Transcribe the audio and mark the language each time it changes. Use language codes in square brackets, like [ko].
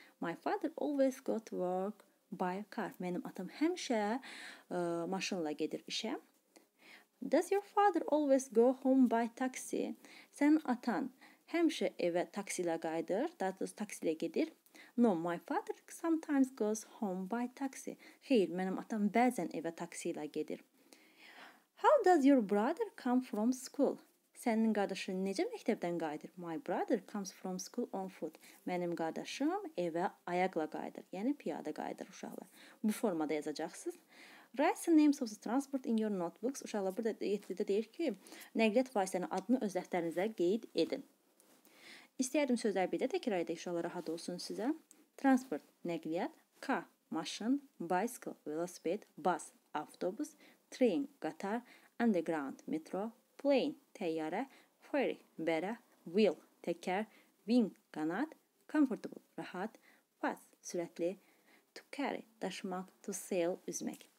[en] My father always go to work by car. [az] Mənim atam həmişə maşınla gedir işə. [en] Does your father always go home by taxi? [az] Sənin atan həmişə evə taksi ilə qayıdır, taksi ilə gedir. [en] No, my father sometimes goes home by taxi. [az] Xeyr, mənim atam bəzən evə taksi ilə gedir. [en] How does your brother come from school? [az] Sənin qardaşın necə məktəbdən qayıdır? [en] My brother comes from school on foot. [az] Mənim qardaşım evə ayaqla qayıdır. Yəni, piyada qayıdır uşaqlar. Bu formada yazacaqsınız. [en] Write the names of the transport in your notebooks. [az] Uşaqlar, burada 7-də deyir ki, nəqliyyat vasitənin adını öz dəftərinizə qeyd edin. İstəyərdim sözlər bir də təkrar edək, uşaqlar, rahat olsun sizə. [en] Transport, nəqliyyat, car, maşın, bicycle, velosiped, bus, avtobus, train, qatar, underground, metro, plane, təyyarə, ferry, bərə, wheel, təkər, wing, qanad, comfortable, rahat, fast, sürətli, to carry, daşımaq, to sail, üzmək.